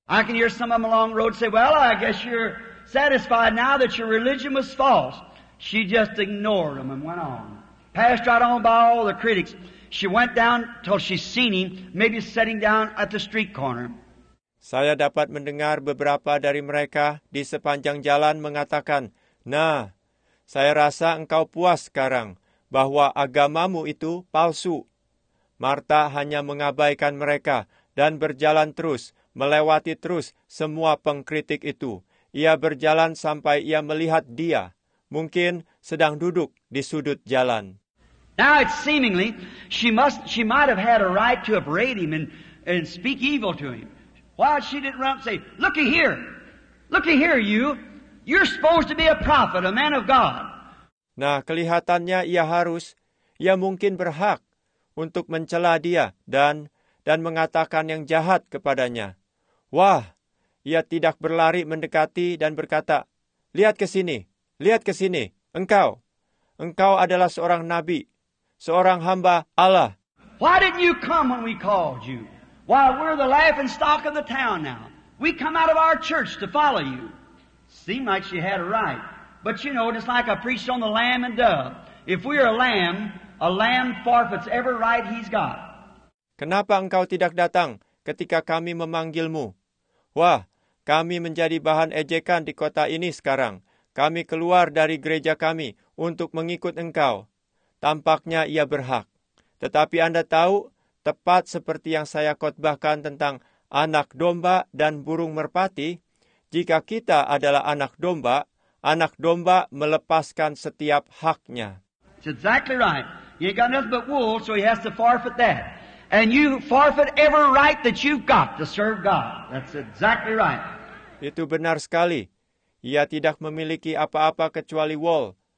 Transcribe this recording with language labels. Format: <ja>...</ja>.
<en>I can hear some of them along the road say, well, I guess you're satisfied now that your religion was false. She just ignored them and went on. Passed right on by all the critics. She went down till she seen him, maybe sitting down at the street corner.</en> <id>Saya dapat mendengar beberapa dari mereka di sepanjang jalan mengatakan, nah, saya rasa engkau puas sekarang bahwa agamamu itu palsu. Martha hanya mengabaikan mereka dan berjalan terus, melewati terus semua pengkritik itu. Ia berjalan sampai ia melihat dia, mungkin sedang duduk di sudut jalan.</id> <en>Now it's seemingly, she might have had a right to upbraid him and speak evil to him. Why she didn't run up and say, looky here you, you're supposed to be a prophet, a man of God.</en> <id>Nah, kelihatannya ia mungkin berhak untuk mencela dia dan mengatakan yang jahat kepadanya. Wah, ia tidak berlari mendekati dan berkata, lihat ke sini, engkau adalah seorang nabi, seorang hamba Allah.</id> <en>Why didn't you come when we called you? Why, we're the laughing stock of the town now. We come out of our church to follow you. Seemed like she had a right. But you know, just like I preached on the lamb and dove. If we're a lamb forfeits every right he's got.</en> <id>Kenapa engkau tidak datang ketika kami memanggilmu? Wah, kami menjadi bahan ejekan di kota ini sekarang. Kami keluar dari gereja kami untuk mengikut engkau. Tampaknya ia berhak. Tetapi Anda tahu, tepat seperti yang saya khotbahkan tentang anak domba dan burung merpati, jika kita adalah anak domba melepaskan setiap haknya.</id> <en>It's exactly right. You ain't got nothing but wool, so he has to forfeit that. And you forfeit every right that you've got to serve God. That's exactly right.</en> <id>Itu benar sekali. Ia tidak memiliki apa-apa kecuali wool.</id>